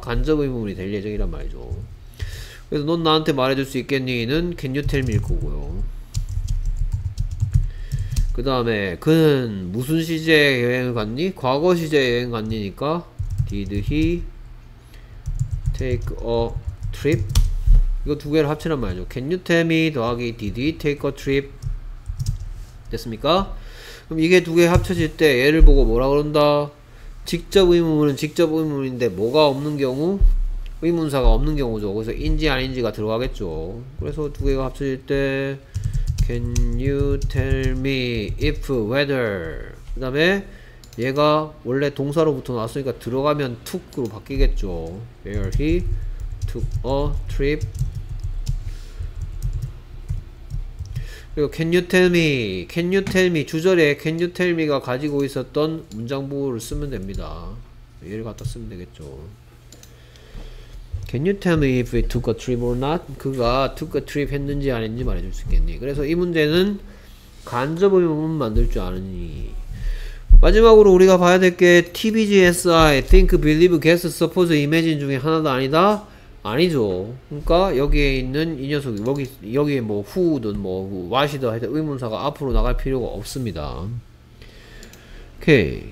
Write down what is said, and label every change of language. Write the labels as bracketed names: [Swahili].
[Korean] 간접 의문문이 될 예정이란 말이죠. 그래서 넌 나한테 말해줄 수 있겠니는 [English] can you tell me [Korean] 일 거고요. 그 다음에 그는 무슨 시제에 여행을 갔니? 과거 시제에 여행 갔니니까 [English] did he take a trip? [Korean] 이거 두 개를 합치란 말이죠. [English] can you tell me [Korean] 더하기 [English] did he take a trip? [Korean] 됐습니까? 그럼 이게 두 개 합쳐질 때 얘를 보고 뭐라 그런다? 직접 의문문은 직접 의문문인데 뭐가 없는 경우? 의문사가 없는 경우죠. 그래서 인지 아닌지가 들어가겠죠. 그래서 두 개가 합쳐질 때 [English] can you tell me if whether. [Korean] 그 다음에 얘가 원래 동사로부터 나왔으니까 들어가면 took로 바뀌겠죠. [English] where he took a trip. [Korean] 그리고 [English] can you tell me, [Korean] can you tell me 주절에 can you tell me가 가지고 있었던 문장 부호를 쓰면 됩니다. 얘를 갖다 쓰면 되겠죠. [English] Can you tell me if he took a trip or not? [Korean] 그가 [English] took a trip [Korean] 했는지 아닌지 말해줄 수 있겠니? 그래서 이 문제는 간접 의문문 만들 줄 아느니. 마지막으로 우리가 봐야 될 게 TBGSI, think, believe, guess, suppose, imagine 중에 하나도 아니다? 아니죠. 그러니까 여기에 있는 이 녀석, 여기에 뭐 who든 뭐 what이든 하여튼 의문사가 앞으로 나갈 필요가 없습니다. 오케이.